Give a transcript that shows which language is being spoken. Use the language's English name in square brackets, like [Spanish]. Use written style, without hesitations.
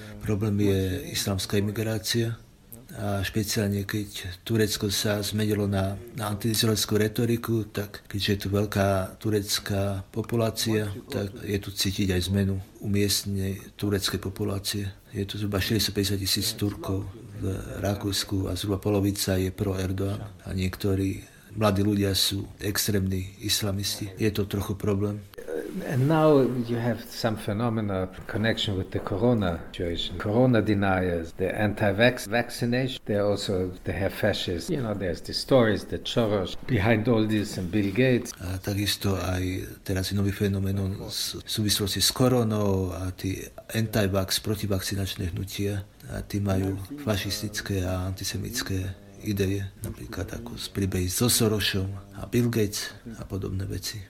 [Slovak] Problém je islamská imigrácia a špeciálne keď Turecko sa zmenilo na antiizraelskú retoriku, tak keďže je tu veľká turecká populácia, tak je tu cítiť aj zmenu umiestnenej tureckej populácie. Je tu zhruba 650 tisíc Turkov v Rakúsku a zhruba polovica je pro Erdoğan a niektorí mladí ľudia sú extrémni islamisti. Je to trochu problém. [English] And now you have some phenomena in connection with the corona situation. Corona deniers, the anti-vaccination, they also, they have fascists. You know, there's the stories, the Soros behind all this and Bill Gates. [Slovak] A takisto aj teraz je nový fenomén v súvislosti s koronou a tí anti-vax, protivakcinačné hnutia, a tí majú fašistické a antisemitské ideje, napríklad ako z príbehy so Sorosom a Bill Gates a podobné veci.